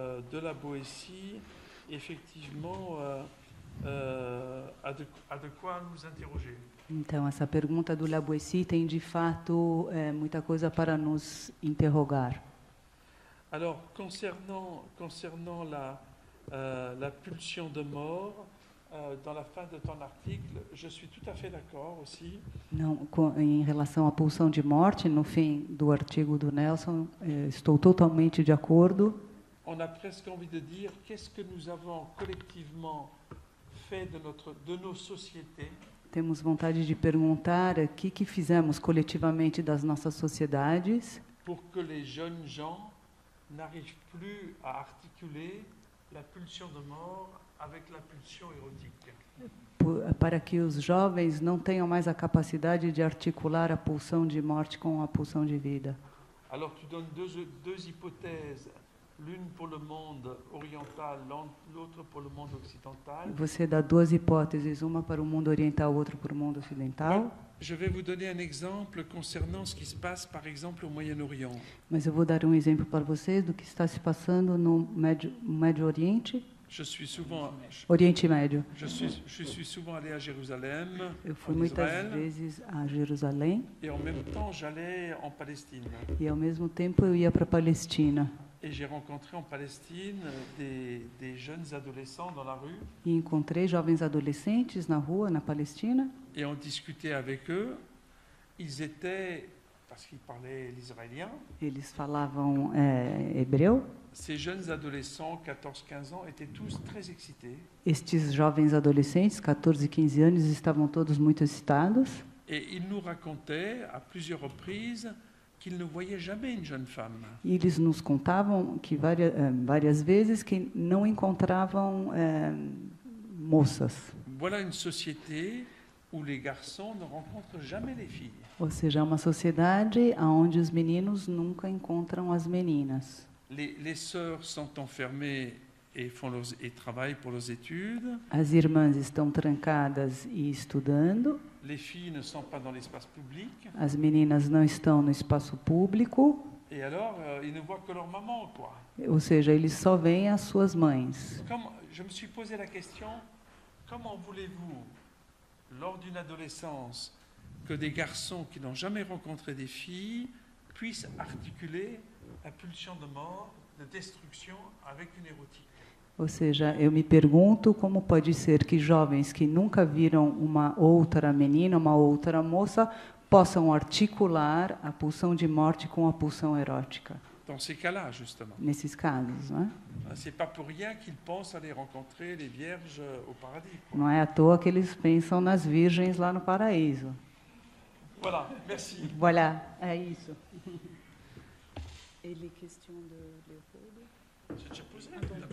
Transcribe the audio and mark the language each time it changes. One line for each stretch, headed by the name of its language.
French: de la Boétie, effectivement, a de quoi nous interroger.
Portuguese: Então, essa pergunta do La Boétie tem, de fato, muita coisa para nos interrogar.
French: Alors, concernant la, la pulsion de mort, dans la fin de ton article, je suis tout à fait d'accord aussi.
Portuguese: Não, em relação à pulsão de morte, no fim do artigo do Nelson, estou totalmente de acordo.
French: On a presque envie de dire qu'est-ce que nous avons collectivement fait de notre, de nos sociétés.
Portuguese: Temos vontade de perguntar o que fizemos coletivamente das nossas sociedades.
French: Pour que les jeunes gens n'arrivent plus à articuler la pulsion de mort avec la pulsion érotique.
Portuguese: Para que os jovens não tenham mais a capacidade de articular a pulsão de morte com a pulsão de vida.
French: Alors tu donnes deux hypothèses. L'une pour le monde oriental, l'autre pour le monde occidental.
Portuguese: Você dá duas hipóteses, uma para o mundo oriental, outra para o mundo ocidental.
French: Je vais vous donner un exemple concernant ce qui se passe, par exemple, au Moyen-Orient.
Portuguese: Mas eu vou dar um exemplo para vocês do que está se passando no Médio Oriente.
French: Je suis souvent
Portuguese: Oriente Médio.
French: Je suis souvent allé à Jérusalem.
Portuguese: Eu fui muitas vezes a Jerusalém.
French: Et en même temps, j'allais en Palestine.
Portuguese: E ao mesmo tempo eu ia para a Palestina.
French: Et j'ai rencontré en Palestine des jeunes adolescents dans la rue.
Portuguese: E encontrei jovens adolescentes na rua na Palestina.
French: Et on discutait avec eux. Ils étaient parce qu'ils parlaient l'israélien.
Portuguese: Eles falavam hébreu.
French: Ces jeunes adolescents, 14, 15 ans, étaient tous très excités.
Portuguese: Estes jovens adolescentes, 14, 15 anos, estavam todos muito excitados.
French: Et ils nous racontaient à plusieurs reprises qu'ils ne voyaient jamais une jeune femme.
Portuguese: Ils nous contavam que várias vezes que não encontravam moças.
French: Voilà une société où les garçons ne rencontrent jamais les filles.
Portuguese: Ou seja, uma sociedade aonde os meninos nunca encontram as meninas.
French: Les sœurs sont enfermées et font leurs et travaillent pour leurs études.
Portuguese: As irmãs estão trancadas e estudando.
French: Les filles ne sont pas dans l'espace public.
Portuguese: As meninas não estão no espaço público.
French: Et alors, ils ne voient que leur maman, quoi.
Portuguese: Ou seja, eles só veem as suas mães.
French: Comme, je me suis posé la question, comment voulez-vous, lors d'une adolescence, que des garçons qui n'ont jamais rencontré des filles puissent articuler la pulsion de mort, de destruction avec une érotique?
Portuguese: Ou seja, eu me pergunto como pode ser que jovens que nunca viram uma outra menina, uma outra moça, possam articular a pulsão de morte com a pulsão erótica.
French: Dans ces cas-là, justement.
Portuguese: Nesses casos, né?
French: C'est pas pour rien qu'ils pensent aller rencontrer les vierges au paradis.
Portuguese: Não é à toa que eles pensam nas virgens lá no paraíso.
French: Voilà, merci.
Portuguese: Voilà, é isso. Ele questão de Leopoldo.